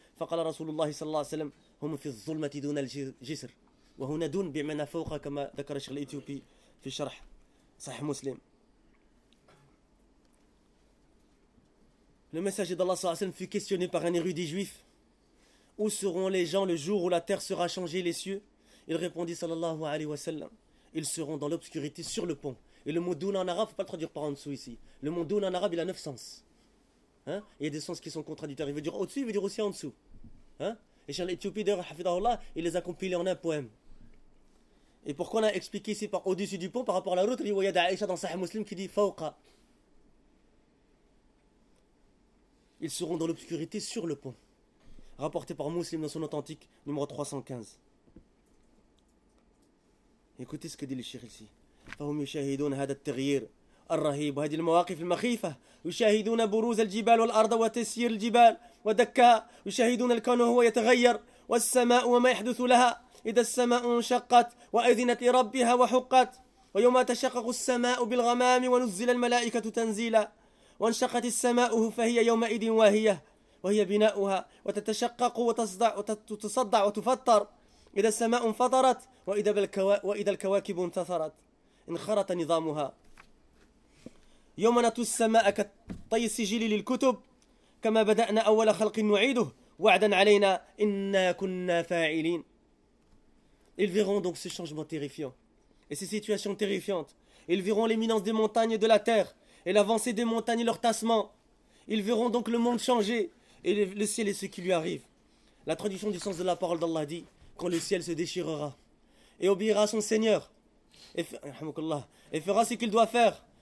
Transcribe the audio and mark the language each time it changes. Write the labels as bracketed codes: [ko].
[ar] فقال رسول الله صلى الله عليه وسلم هم في الظلمة دون الجسر وهنا دون بمعنى فوق كما ذكر الشيخ الإثيوبي في شرح صحيح مسلم. [fr] Le messager d'Allah صلى الله عليه وسلم fut questionné par un érudit juif: où seront les gens le jour où la terre sera changée, les cieux? Il répondit صلى الله عليه وسلم: ils seront dans l'obscurité sur le pont. Et le mot doun en arabe, faut pas le traduire par en dessous ici. Le mot doun en arabe, il a 9 sens. Hein? Il y a des sens qui sont contradictoires. Il veut dire au-dessus, il veut dire aussi en dessous. Hein? Et Charles Éthiopie, d'ailleurs, Hafidahullah, il les a compilés en un poème. Et pourquoi on a expliqué ici par au-dessus du pont par rapport à la route, il y a Aïcha dans Sahih Muslim qui dit Fawqa. Ils seront dans l'obscurité sur le pont. Rapporté par Muslim dans son authentique numéro 315. Écoutez ce que dit le Cheikh ici. [ar] Fahum yushahidun hadat tagyir الرهيب وهذه المواقف المخيفة يشاهدون بروز الجبال والأرض وتسيير الجبال ودكا يشاهدون الكون وهو يتغير والسماء وما يحدث لها إذا السماء انشقت وأذنت لربها وحقت ويوم تشقق السماء بالغمام ونزل الملائكة تنزيلا وانشقت السماء فهي يومئذ واهية وهي بناؤها وتتشقق وتتصدع وتفطر إذا السماء انفطرت وإذا الكواكب انتثرت انخرط نظامها يوم نطوي السماء كطي السجل للكتب كما بدأنا أول خلق نعيده وعدا علينا إنا كنا فاعلين. [fr] Ils verront donc ce changement terrifiant et ces situations terrifiantes. Ils verront l'éminence des montagnes et de la terre et l'avancée des montagnes et leur tassement. Ils verront donc le monde changer et le ciel et ce qui lui arrive. La traduction du sens de la parole d'Allah dit: quand le ciel se déchirera et obéira à son Seigneur et fera ce qu'il doit faire.